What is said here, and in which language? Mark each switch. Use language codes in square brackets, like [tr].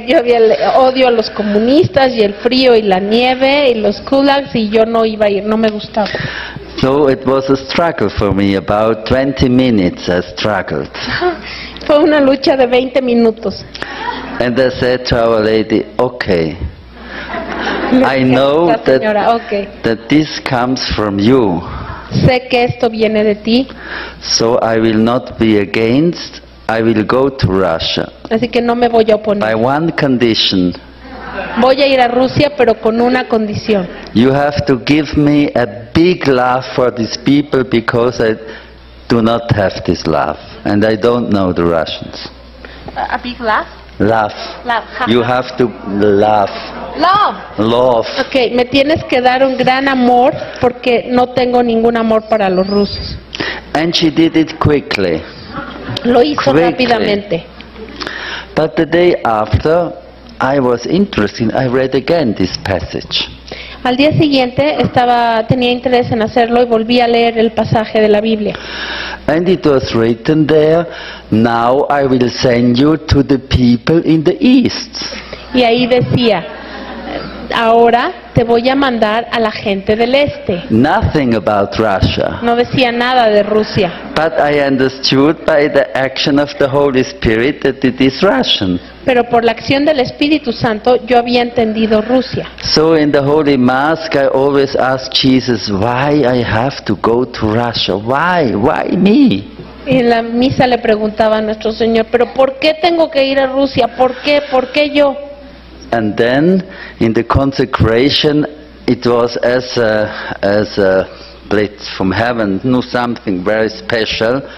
[es] Porque yo había odio a los comunistas y el frío y la nieve y los gulags y yo no iba a ir, no me gustaba. [en] So it was a struggle for me, about 20 minutes I struggled. [es] Fue una lucha de 20 minutos. [en] And I said to Our Lady, okay, I know that this comes from you. [es] Sé que esto viene de ti. [en] So I will not be against, I will go to Russia. [es] Así que no me voy a oponer. [en] By one condition. [es] Voy a ir a Rusia, pero con una condición. [en] You have to give me a big love for these people because I do not have this love and I don't know the Russians. A big love? Love. Love. You have to love. Love. Love. Okay, [es] me tienes que dar un gran amor porque no tengo ningún amor para los rusos. [en] And she did it quickly. [es] Lo hizo [en] quickly. [es] Rápidamente. [en] But the day after, I was interested. I read again this passage. [es] Al día siguiente tenía interés en hacerlo y volví a leer el pasaje de la Biblia. [en] And it was written there, now I will send you to the people in the east. [es] y ahí decía, ahora te voy a mandar a la gente del este. [en] Nothing about Russia. [es] No decía nada de Rusia. [en] But I understood by the action of the Holy Spirit that it is Russian. [es] Pero por la acción del Espíritu Santo yo había entendido Rusia. [en] So in the Holy Mass I always ask Jesus, why I have to go to Russia? Why? Why me? [es] Y en la misa le preguntaba a nuestro Señor, ¿pero por qué tengo que ir a Rusia? ¿Por qué? ¿Por qué yo? [en] And then in the consecration it was as a blitz from heaven, knew something very special.